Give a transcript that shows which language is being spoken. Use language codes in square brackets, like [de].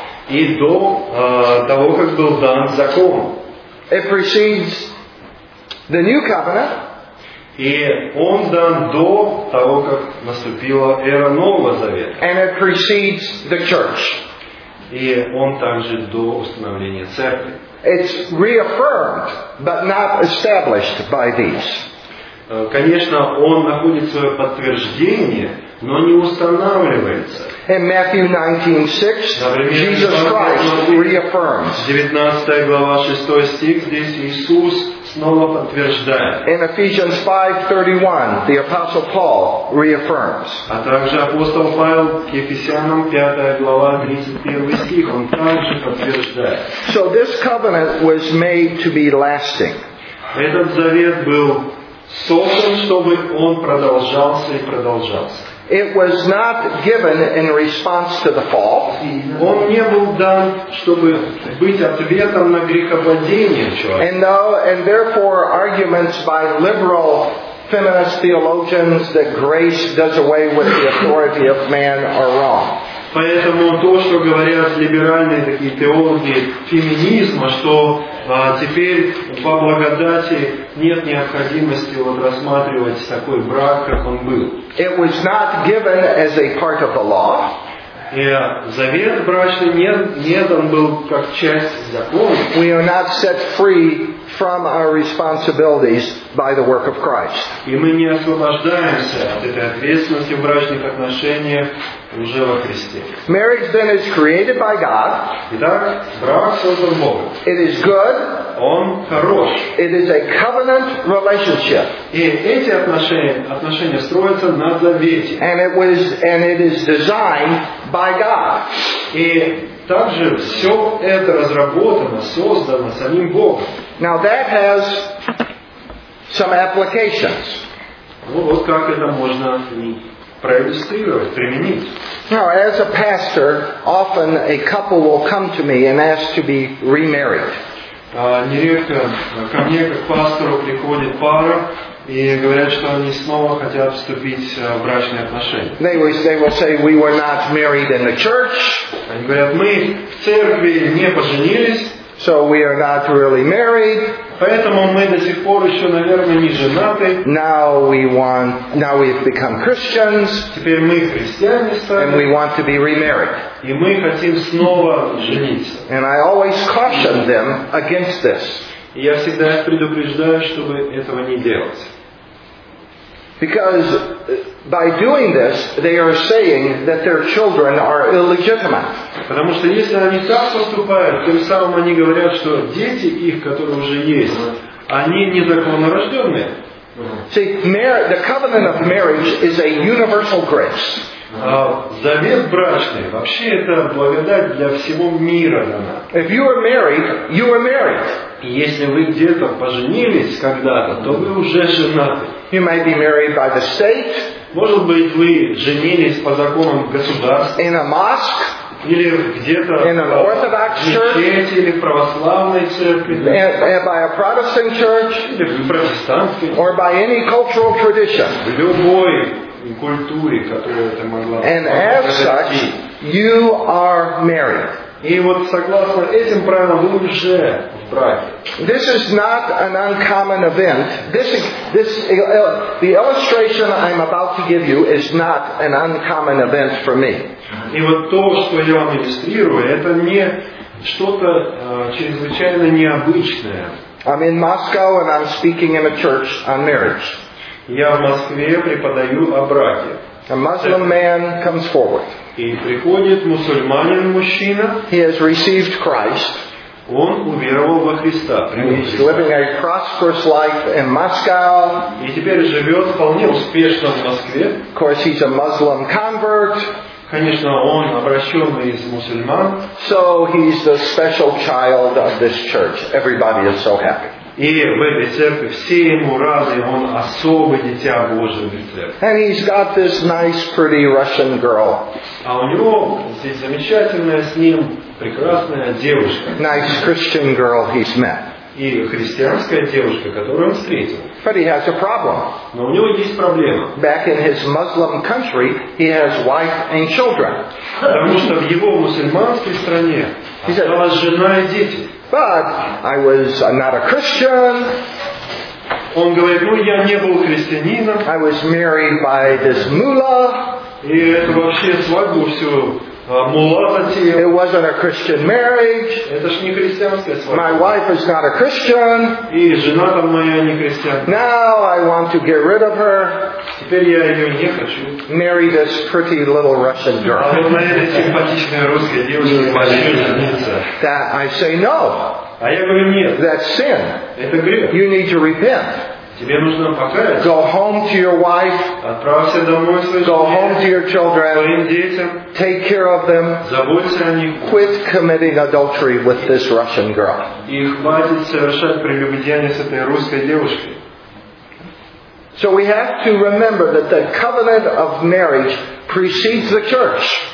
[ru] И до того, как был дан закон. [en] It precedes the new covenant. [ru] И он дан до того, как наступила эра Нового Завета. [en] And it precedes the church. [ru] И он также до установления церкви. [en] It's reaffirmed, but not established by these. [ru] Конечно, он находит свое подтверждение, но не устанавливается. [en] In Matthew 19:6, Jesus Christ reaffirms. [ru] 19 глава 6 стих, здесь Иисус снова подтверждает. [en] In Ephesians 5:31, the Apostle Paul reaffirms. [ru] А также апостол Павел к Ефесянам 5 глава 31 стих, он также подтверждает. [en] So this covenant was made to be lasting. [ru] Этот завет был создан, чтобы он продолжался и продолжался. [en] It was not given in response to the fall. [ru] Он не был дан, чтобы быть ответом на грехопадение. [en] And therefore, arguments by liberal feminist theologians that grace does away with the authority of man are wrong. [ru] Поэтому то, что говорят либеральные такие теологи феминизма, что теперь по благодати нет необходимости вот рассматривать такой брак, как он был. [en] It was not given as a part of the law. [ru] И завет брачный не дан был как часть закона. [en] We are not set free from our responsibilities by the work of Christ. [ru] И мы не освобождаемся от этой ответственности в брачных отношениях уже во Христе. [en] Marriage then is created by God. [ru] Итак, брак создан Богом. [en] It is good. [ru] Он хорош. [en] It is a covenant relationship. [ru] И эти отношения строятся на завете. [en] And it is designed by God. [ru] И также все это разработано, создано самим Богом. [en] Now that has some applications. [ru] Ну, вот как это можно проиллюстрировать, применить. [en] Now, as a pastor, often a couple will come to me and ask to be remarried. [ru] Нередко ко мне как пастору приходит пара и говорят, что они снова хотят вступить в брачные отношения. [en] They will say we were not married in the church. [ru] Они говорят, мы в церкви не поженились. [en] So we are not really married. [ru] Поэтому мы до сих пор еще, наверное, не женаты. [en] Now we want. Now we have become Christians. [ru] Теперь мы христиане стали. [en] And we want to be remarried. [ru] И мы хотим снова жениться. [en] And I always caution them against this. [ru] И я всегда предупреждаю, чтобы этого не делать. [en] Because by doing this, they are saying that their children are illegitimate. [ru] Потому что если они так поступают, тем самым они говорят, что дети их, которые уже есть, они незаконнорожденные. [en] See, the covenant of marriage is a universal grace. [ru] Завет брачный вообще это благодать для всего мира дана. [en] If you are married, you are married. [ru] Если вы где-то поженились когда-то, то вы уже женаты. [en] You might be married by the state. [ru] Может быть, вы женились по законам государства. [en] In a mosque. [ru] Или где-то [en] in an Orthodox church. [ru] Или в православной церкви. [en] By a Protestant church. [ru] Или в протестантской. [en] Or by any cultural tradition. [ru] В любой культуре, которая это могла. [en] And as such, you are married. [ru] И вот согласно этим правилам вы уже в браке. [en] This is not an uncommon event. This the illustration I'm about to give you is not an uncommon event for me. [ru] И вот то, что я вам иллюстрирую, это не что-то чрезвычайно необычное. [en] I'm in Moscow and I'm speaking in a church on marriage. [ru] Я в Москве преподаю о браке. [en] A Muslim man comes forward. [ru] И приходит мусульманин мужчина. [en] He has received Christ. [ru] Он уверовал во Христа. [en] He's living a prosperous life in Moscow. [ru] И теперь живет вполне успешно в Москве. [en] Of course, he's a Muslim convert. [ru] Конечно, он обращенный из мусульман. [en] So he's the special child of this church. Everybody is so happy. [ru] И в этой церкви все ему рады, он особое дитя Божие в церкви. [en] And he's got this nice, pretty Russian girl. [ru] А у него здесь замечательная с ним прекрасная девушка. [en] Nice Christian girl he's met. [ru] И христианская девушка, которую он встретил. [en] But he has a problem. [ru] Но у него есть проблема. [en] Back in his Muslim country, he has wife and children. [ru] Потому что в его мусульманской стране осталась жена и дети. [en] But I was not a Christian. [ru] Он говорит, ну я не был христианином. [en] I was married by this mullah. [ru] И это вообще свадьбу всю мулла затеял. [en] It wasn't a Christian marriage. [ru] Это ж не христианская свадьба. [en] My wife is not a Christian. [ru] И жена там моя не христианка. [en] Now I want to get rid of her. [ru] Теперь я ее не хочу. [en] Marry this pretty little Russian girl. [ru] А вот моя симпатичная русская девушка хочу жениться. [en] That I say no. [ru] А я говорю нет. [en] That's sin. [ru] Это грех. [en] You need to repent. [ru] Тебе нужно покаяться. [en] Go home to your wife. [ru] Отправься домой своей жене. [en] Go home to your children. [ru] Своим детям. [en] Take care of them. [ru] Заботься о них. [en] Quit committing adultery with this Russian girl. [ru] И хватит совершать прелюбодеяние с этой русской девушкой. [en] So we have to remember that the covenant of marriage precedes the church.